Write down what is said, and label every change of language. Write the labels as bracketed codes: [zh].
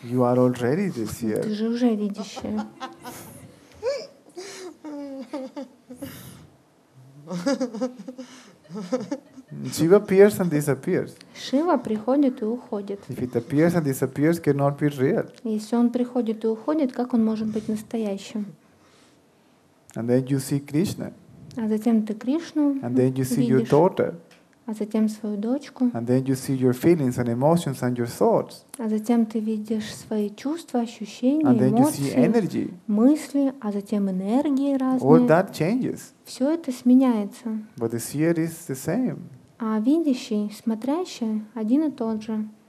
[en] You are already the seer. [ru] Ты же уже видящая. [en] Shiva appears and disappears. [ru] Шива приходит и уходит. [en] If it appears and disappears, cannot be real. [ru] Если он приходит и уходит, как он может быть настоящим? [en] And then you see Krishna. [ru] А затем ты Кришну. [en] And then you see your daughter. [ru] А затем свою дочку. [en] And then you see your feelings and emotions and your thoughts. [ru] А затем ты видишь свои чувства, ощущения, эмоции, мысли, а затем энергии разные. [en] All that changes. [ru] Все это сменяется. [en] But the seer is the same. [ru] А видящий, смотрящий, один и тот же.